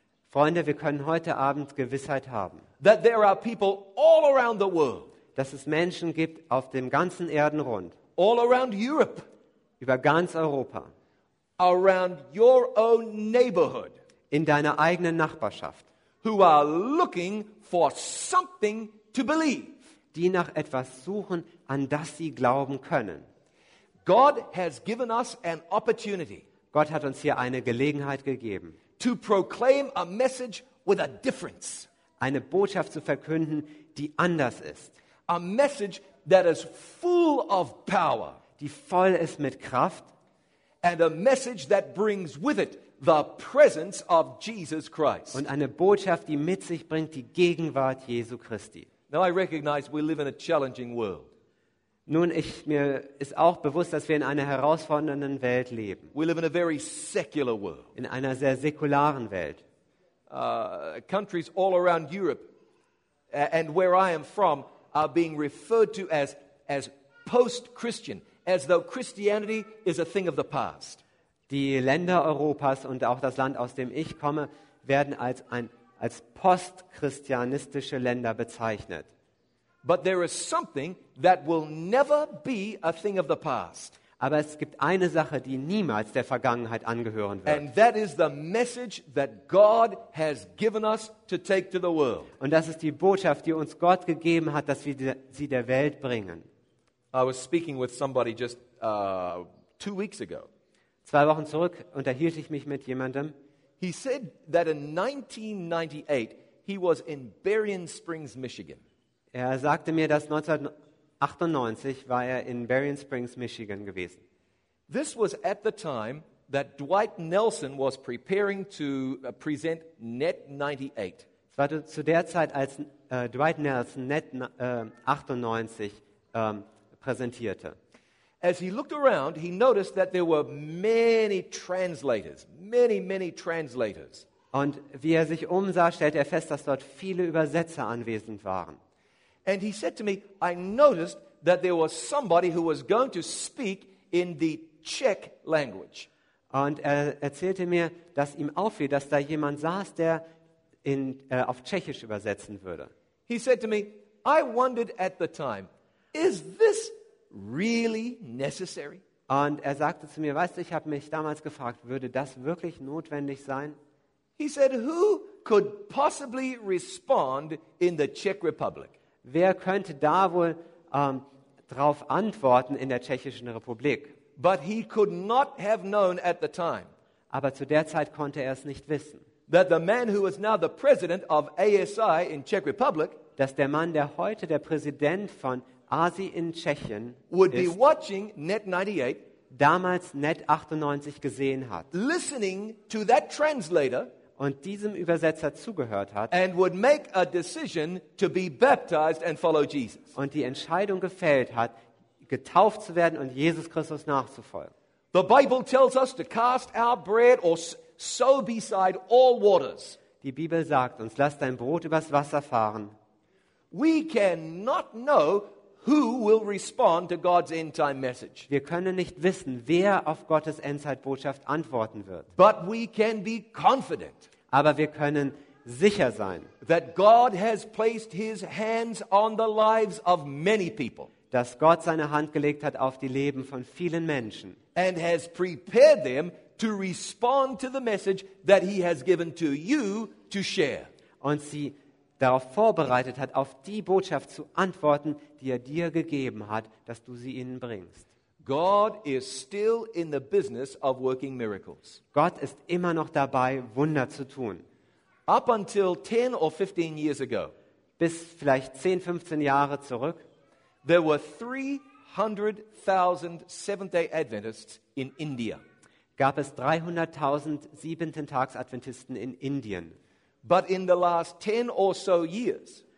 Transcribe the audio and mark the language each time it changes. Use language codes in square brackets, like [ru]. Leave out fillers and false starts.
[de] Freunde, wir können heute Abend Gewissheit haben. [en] That there are people all around the world. [de] Dass es Menschen gibt auf dem ganzen Erdenrund. [en] All around Europe. [de] Über ganz Europa. [en] Around your own neighborhood. [de] In deiner eigenen Nachbarschaft. [en] Who are looking for something to believe. [de] Die nach etwas suchen, an das sie glauben können. [en] God has given us an opportunity. [de] Gott hat uns hier eine Gelegenheit gegeben. [en] To proclaim a message with a difference. [de] Eine Botschaft zu verkünden, die anders ist. [en] A message that is full of power. [de] Die voll ist mit Kraft. [en] And a message that brings with it the presence of Jesus Christ. [de] Und eine Botschaft, die mit sich bringt die Gegenwart Jesu Christi. [en] Now I recognize we live in a challenging world. [de] Nun, mir ist auch bewusst, dass wir in einer herausfordernden Welt leben. [en] We live in a very secular world. [de] In einer sehr säkularen Welt. [en] Countries all around Europe and where I am from are being referred to as post-Christian, as though Christianity is a thing of the past. [de] Die Länder Europas und auch das Land, aus dem ich komme, werden als postchristianistische Länder bezeichnet. [en] But there is something that will never be a thing of the past. [de] Aber es gibt eine Sache, die niemals der Vergangenheit angehören wird. [en] And that is the message that God has given us to take to the world. [de] Und das ist die Botschaft, die uns Gott gegeben hat, dass wir sie der Welt bringen. [en] I was speaking with somebody just 2 weeks ago. [de] 2 Wochen zurück unterhielt ich mich mit jemandem. [en] He said that in 1998 he was in Berrien Springs, Michigan. [de] Er sagte mir, dass 1998 war er in Berrien Springs, Michigan gewesen. [en] This was at the time that Dwight Nelson was preparing to present Net 98. [de] Es war zu der Zeit, als Dwight Nelson Net 98 präsentierte. [en] As he looked around, he noticed that there were many translators, many, many translators. [de] Und wie er sich umsah, stellte er fest, dass dort viele Übersetzer anwesend waren. [en] And he said to me, I noticed that there was somebody who was going to speak in the Czech language. [de] Und er erzählte mir, dass ihm auffiel, dass da jemand saß, der auf Tschechisch übersetzen würde. [en] He said to me, I wondered at the time, is this really necessary? [de] Und er sagte zu mir, weißt du, ich habe mich damals gefragt, würde das wirklich notwendig sein? [en] He said, who could possibly respond in the Czech Republic? [de] Wer könnte da wohl drauf antworten in der Tschechischen Republik? [en] But he could not have known at the time. [de] Aber zu der Zeit konnte er es nicht wissen. [en] That the man who is now the president of ASI in Czech Republic, [de] dass der Mann, der heute der Präsident von ASI in Tschechien [en] would [de] ist, [en] be watching Net 98, [de] damals Net 98 gesehen hat, [en] listening to that translator, [de] und diesem Übersetzer zugehört hat, [en] and would make a decision to be baptized and follow Jesus, [de] und die Entscheidung gefällt hat, getauft zu werden und Jesus Christus nachzufolgen. [en] The Bible tells us to cast our bread or sow beside all waters. [de] Die Bibel sagt uns, lass dein Brot übers Wasser fahren. [en] We cannot know who will respond to God's end-time message. [de] Wir können nicht wissen, wer auf Gottes Endzeitbotschaft antworten wird. [en] But we can be confident. [de] Aber wir können sicher sein, [en] that God has placed his hands on the lives of many people. [de] Dass Gott seine Hand gelegt hat auf die Leben von vielen Menschen. [en] And has prepared them to respond to the message that he has given to you to share. [de] Und sie darauf vorbereitet hat, auf die Botschaft zu antworten, die er dir gegeben hat, dass du sie ihnen bringst. [en] God is still in the business of working miracles. [de] Gott ist immer noch dabei, Wunder zu tun. [en] Up until 10 or 15 years ago, [de] bis vielleicht 10, 15 Jahre zurück, [en] there were 300,000 Seventh-day Adventists in India. [de] Gab es 300,000 Siebenten-Tags-Adventisten in Indien. [en] But in the last 10 or so years,